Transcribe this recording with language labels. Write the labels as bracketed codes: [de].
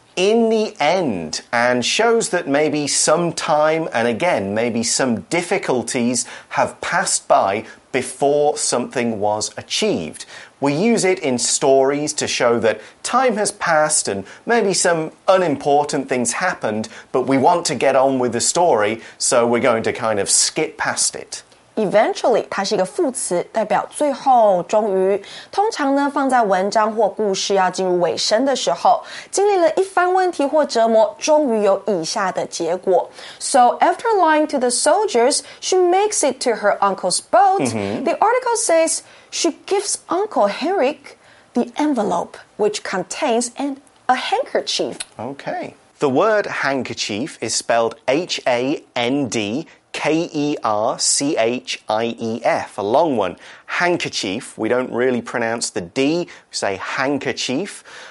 [en] In the end, and shows that maybe some time, and again, maybe some difficulties have passed by before something was achieved. We use it in stories to show that time has passed and maybe some unimportant things happened, but we want to get on with the story, so we're going to kind of skip past it. [zh] Eventually, 它是一个副词，代表最后、终于。通常呢，放在文章或故事要进入尾声的时候，经历了一番问题或折磨，终于有以下的结果。 [en] So, after lying to the soldiers, she makes it to her uncle's boat. Mm-hmm. The article says she gives Uncle Henrik the envelope, which contains a handkerchief. Okay. The word handkerchief is spelled H-A-N-D. K-E-R-C-H-I-E-F, a long one. Handkerchief, we don't really pronounce the D, we say handkerchief.